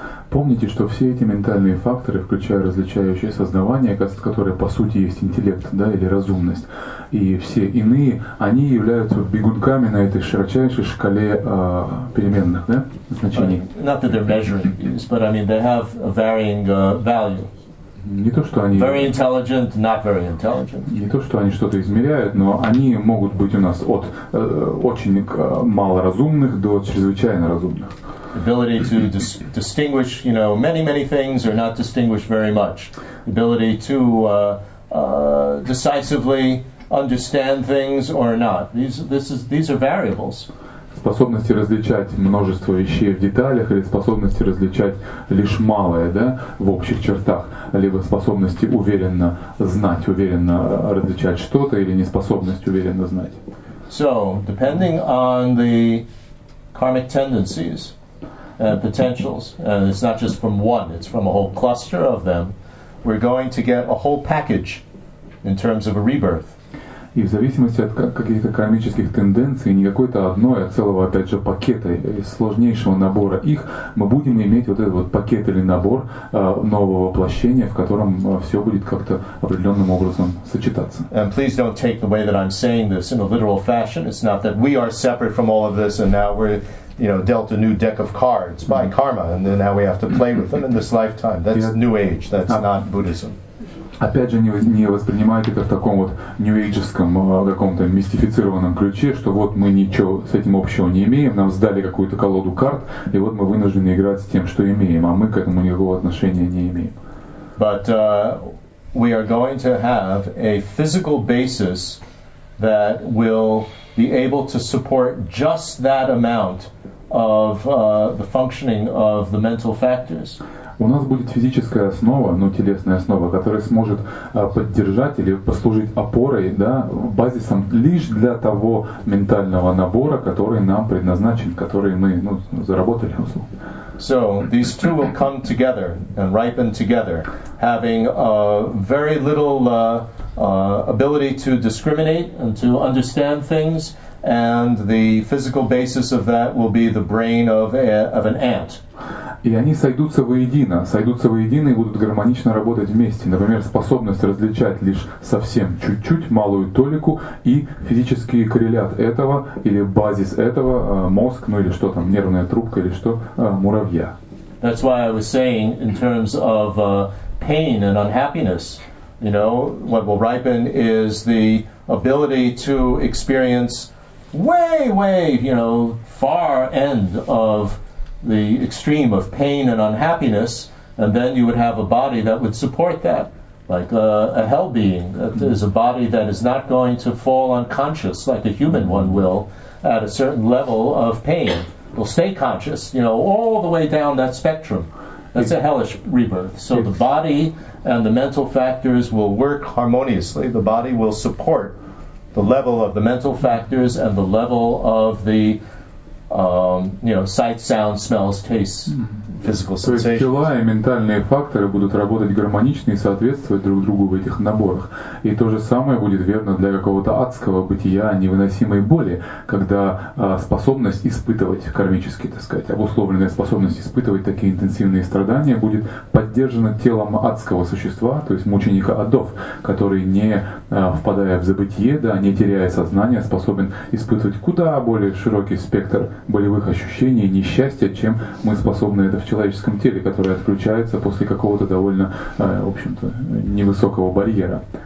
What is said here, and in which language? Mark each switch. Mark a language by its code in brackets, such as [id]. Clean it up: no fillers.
[ru] Помните, что все эти ментальные факторы, включая различающие создавания, которые по сути есть интеллект, да, или разумность, и все иные, они являются бегунками на этой широчайшей шкале переменных, да, значений. [en] Not that they're measuring these, but I mean they have a varying value. [ru] Не то, что они... [en] Very intelligent, not very intelligent. [ru] Не то, что они что-то измеряют, но они могут быть у нас от очень малоразумных до чрезвычайно разумных. [en] Ability to distinguish, you know, many, many things or not distinguish very much. Ability to decisively understand things or not. These are variables. [ru] Способности различать множество вещей в деталях или способности различать лишь малое, да, в общих чертах, либо способности уверенно знать, уверенно различать что-то или неспособность уверенно знать. [en] So, depending on the karmic tendencies and potentials, and it's not just from one, it's from a whole cluster of them, we're going to get a whole package in terms of a rebirth. [ru] И в зависимости от каких-то кармических тенденций, не какой-то одной, а целого, опять же, пакета, сложнейшего набора их, мы будем иметь вот этот вот пакет или набор нового воплощения, в котором все будет как-то определенным образом сочетаться. [en] And please don't take the way that I'm saying this in a literal fashion. It's not that we are separate from all of this and now we're, you know, dealt a new deck of cards by karma and then now we have to play with them in this lifetime. That's new age. That's not Buddhism. [ru] Опять же, не воспринимайте это в таком вот нью-эйджевском каком-то мистифицированном ключе, что вот мы ничего с этим общего не имеем, нам сдали какую-то колоду карт, и вот мы вынуждены играть с тем, что имеем, а мы к этому никакого отношения не имеем. [en] But we are going to have a physical basis that will be able to support just that amount of the functioning of the mental factors. [ru] У нас будет физическая основа, ну, телесная основа, которая сможет поддержать или послужить опорой, да, базисом лишь для того ментального набора, который нам предназначен, который мы, ну, заработали. [en] So, these two will come together and ripen together, having very little ability to discriminate and to understand things, and the physical basis of that will be the brain of an ant. [ru] И они сойдутся воедино и будут гармонично работать вместе. Например, способность различать лишь совсем чуть-чуть, малую толику, и физический коррелят этого, или базис этого, мозг, ну или что там, нервная трубка, или что, муравья. [en] That's why I was saying, in terms of pain and unhappiness, you know, what will ripen is the ability to experience way, way, you know, far end of the extreme of pain and unhappiness, and then you would have a body that would support that, like a hell being. That is a body that is not going to fall unconscious like a human one will at a certain level of pain. Will stay conscious, you know, all the way down that spectrum. That's a hellish rebirth. So the body and the mental factors will work harmoniously. The body will support the level of the mental factors and the level of the sight, sound, smells, tastes, physical sensations. [ru] То есть тела и ментальные факторы будут работать гармонично и соответствовать друг другу в этих наборах. И то же самое будет верно для какого-то адского бытия, невыносимой боли, когда способность испытывать кармически, так сказать, обусловленная способность испытывать такие интенсивные страдания будет поддержана телом адского существа, то есть мученика адов, который не впадая в забытие, да, не теряя сознание, способен испытывать куда более широкий спектр болевых ощущений, несчастья, чем мы способны это в человеческом теле, которое отключается после какого-то довольно, в общем-то, невысокого барьера.